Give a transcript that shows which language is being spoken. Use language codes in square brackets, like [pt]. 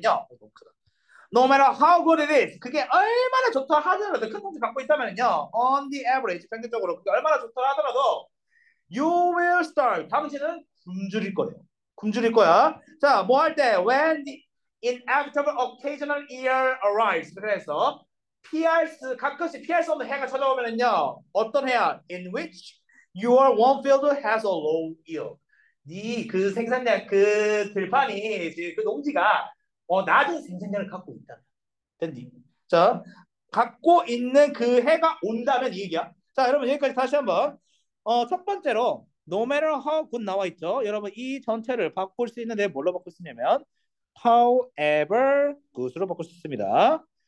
[ko] 농지다. [en] No matter how good it is, [ko] 그게 얼마나 좋다 하더라도 큰 농지 갖고 있다면요, [en] on the average, [ko] 평균적으로 그게 얼마나 좋다 하더라도 [en] you will starve. [ko] 당신은 굶주릴 거예요. 굶주릴 거야. 자, 뭐 할 때 [en] when the inevitable occasional year arrives. [ko] 그래서 피할 수 가끔씩 피할 수 없는 해가 찾아오면은요, 어떤 해야? [en] In which your one field has a low yield. [ko] 네 그 생산량 그 들판이 그 농지가 낮은 생산량을 갖고 있다. 됐니? 자, 갖고 있는 그 해가 온다면 이 얘기야. 자, 여러분 여기까지 다시 한번. 첫 번째로 [en] no matter how good [ko] 나와 있죠. 여러분 이 전체를 바꿀 수 있는데 뭘로 바꿀 수 있냐면 [en] however good [ko] 으로 바꿀 수 있습니다.